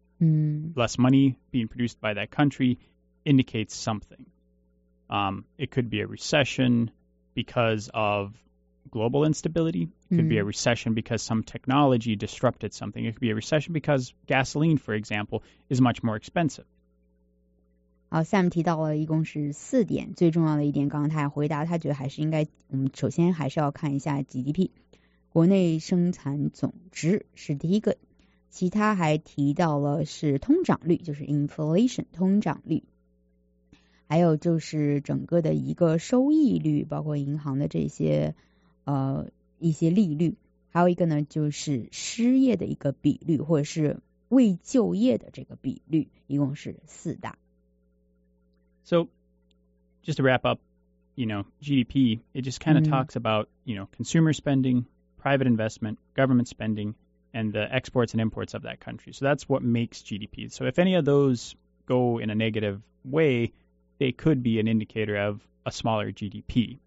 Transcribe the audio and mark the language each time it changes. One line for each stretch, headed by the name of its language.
English: Less money being produced by that country indicates something. It could be a recession because of global instability. It could be a recession because some technology disrupted something. It could be a recession because gasoline, for example, is much more expensive.
Chinese: 好，下面提到了一共是四点，最重要的一点，刚刚他也回答，他觉得还是应该，我们首先还是要看一下 GDP， 国内生产总值是第一个，其他还提到了是通胀率，就是 inflation 通胀率，还有就是整个的一个收益率，包括银行的这些一些利率，还有一个呢就是失业的一个比率，或者是未就业的这个比率，一共是四大。
English: So just to wrap up, you know, GDP, it just kind of talks about, you know, consumer spending, private investment, government spending, and the exports and imports of that country. So that's what makes GDP. So if any of those go in a negative way, they could be an indicator of a smaller GDP.